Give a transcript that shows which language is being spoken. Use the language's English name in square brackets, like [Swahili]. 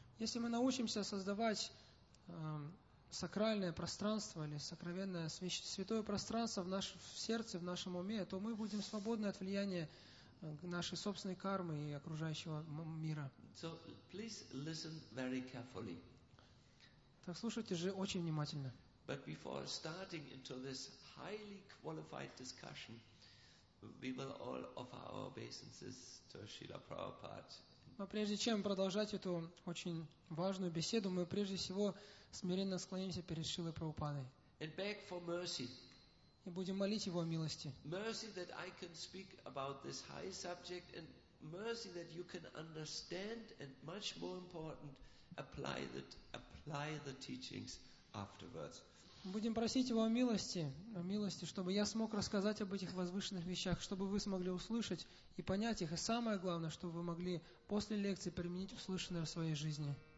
[Russian] Если мы научимся создавать сакральное пространство или сокровенное святое пространство в нашем сердце, в нашем уме, то мы будем свободны от влияния нашей собственной кармы и окружающего мира. [English] So, please listen very carefully. [Russian] Так слушайте же очень внимательно. [English] But before starting into this highly qualified discussion, we will all offer our obeisances to Srila Prabhupada. [Russian] Но прежде чем продолжать эту очень важную беседу, мы прежде всего смиренно склонимся перед Шрилой Прабхупадой и будем молить Его о милости. [English] Mercy that I can speak about this high subject and mercy that you can understand and much more important, apply the teachings afterwards. [Russian] Будем просить Его о милости, чтобы я смог рассказать об этих возвышенных вещах, чтобы вы смогли услышать и понять их, и самое главное, чтобы вы могли после лекции применить услышанное в своей жизни.